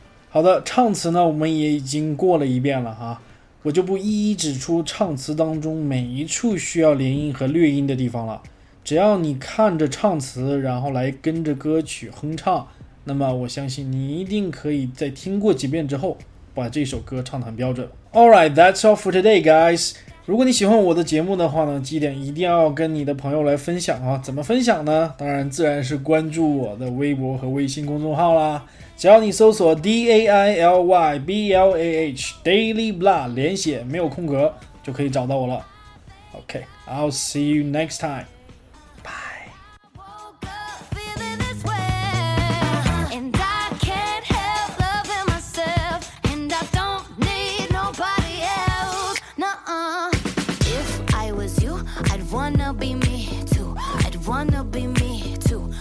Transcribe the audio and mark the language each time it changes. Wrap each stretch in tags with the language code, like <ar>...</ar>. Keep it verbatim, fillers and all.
<zh>好的，唱词呢我们也已经过了一遍了哈，我就不一一指出唱词当中每一处需要连音和略音的地方了。只要你看着唱词，然后来跟着歌曲哼唱，那么我相信你一定可以在听过几遍之后把这首歌唱得很标准。</zh> <en>Alright, that's all for today guys。</en> <zh>如果你喜欢我的节目的话呢，记得一定要跟你的朋友来分享啊。怎么分享呢？当然自然是关注我的微博和微信公众号啦，只要你搜索 D A I L Y B L A H Daily Blah 连写没有空格就可以找到我了。</zh> <en>OK, I'll see you next time. Bye. Woke up feeling this way, and I can't help loving myself, and I don't need nobody else. Nuh-uh. If I was you, I'd wanna be me too. I'd wanna be me too.</en>